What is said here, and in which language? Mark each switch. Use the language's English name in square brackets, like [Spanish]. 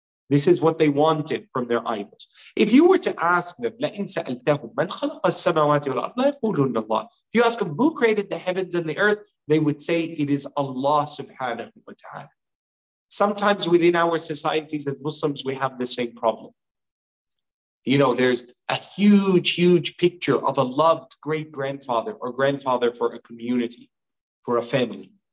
[English] This is what they wanted from their idols. If you were to ask them, [Arabic] لَإِن سَأَلْتَهُمْ مَنْ خَلَقَ السَّمَاوَاتِ وَالْأَرْضِ لَيَقُولُنَّ اللَّهِ. [English] If you ask them, who created the heavens and the earth? They would say, it is Allah subhanahu wa ta'ala. Sometimes within our societies as Muslims, we have the same problem. You know, there's a huge, huge picture of a loved great-grandfather or grandfather for a community, for a family.